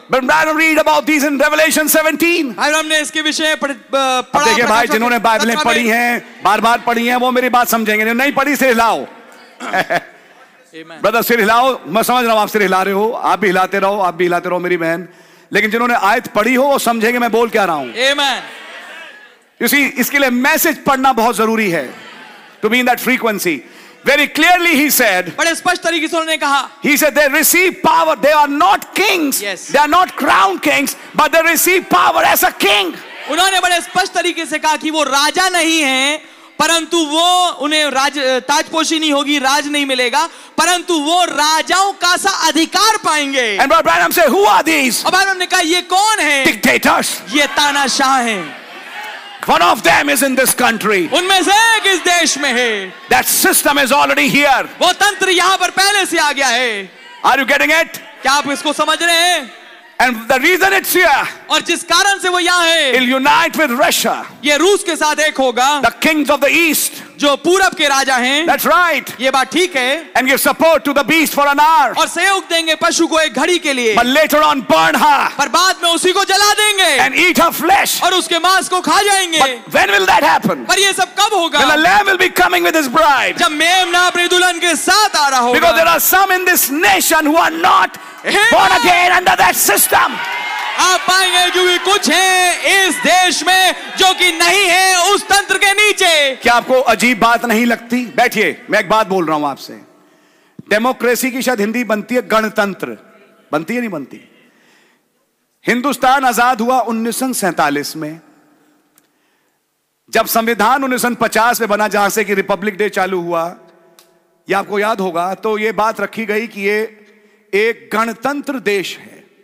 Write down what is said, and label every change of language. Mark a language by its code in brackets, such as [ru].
[en] But Brother, read about these in Revelation 17. [hi] हम ने इसके विषय पढ़ा. देखिए भाई, जिन्होंने बाइबलें पढ़ी हैं, बार-बार पढ़ी हैं, वो मेरी बात समझेंगे. जिन्होंने नहीं पढ़ी, सिर हिलाओ. ब्रदर, सिर हिलाओ. मैं समझ रहा हूँ आप सिर हिला रहे हो. आप भी हिलाते रहो, आप भी हिलाते रहो मेरी बहन. लेकिन जिन्होंने आयत पढ़ी हो वो समझेंगे मैं बोल क्या रहा हूँ. [en] Amen. You see, [hi] इसके लिए मैसेज पढ़ना बहुत जरूरी है. [en] To be in that frequency. Very clearly he said, [hi] बड़े स्पष्ट तरीके से उन्होंने कहा, [en] he said they receive power, they are not kings. Yes. They are not crowned kings, but they receive power as a king. [hi] उन्होंने बड़े स्पष्ट तरीके से कहा कि वो राजा नहीं है, परंतु वो उन्हें राज ताजपोशी नहीं होगी, राज नहीं मिलेगा, परंतु वो राजाओं का सा अधिकार पाएंगे. [en] And Brother Branham said, who are these? [hi] और ब्रैनम ने कहा ये कौन है? [en] Dictators. [hi] ये तानाशाह हैं. [en] One of them is in this country. [hi] उनमें से एक इस देश में है. [en] That system is already here. [hi] वो तंत्र यहाँ पर पहले से आ गया है. [en] Are you getting it? [hi] क्या आप इसको समझ रहे हैं? [en] And the reason it's here. [hi] और जिस कारण से वो यहाँ है. [en] It'll unite with Russia. [hi] ये रूस के साथ एक होगा. [en] The kings of the east. [hi] जो पूरब के राजा हैं, [en] That's right. [hi] ये बात ठीक है. [en] And give support to the beast for an hour. [hi] और सहयोग देंगे पशु को एक घड़ी के लिए. [en] But later on burn her. [hi] पर बाद में उसी को जला देंगे. [en] And eat her flesh. [hi] और उसके मांस को खा जाएंगे. [en] But when will that happen? [hi] पर ये सब कब होगा? [en] When the lamb will be coming with his bride. [hi] जब मेमना अपनी दुल्हन के साथ आ रहा होगा. [en] Because there are some in this nation who are not born again under that system. [hi] आप पाएंगे क्योंकि कुछ है इस देश में जो कि नहीं है उस तंत्र के नीचे. क्या आपको अजीब बात नहीं लगती? बैठिए, मैं एक बात बोल रहा हूं आपसे. डेमोक्रेसी की शायद हिंदी बनती है गणतंत्र, बनती है नहीं बनती? हिंदुस्तान आजाद हुआ 1947 में. जब संविधान 1950 में बना, जहां से कि रिपब्लिक डे चालू हुआ, यह आपको याद होगा, तो यह बात रखी गई कि यह एक गणतंत्र देश है.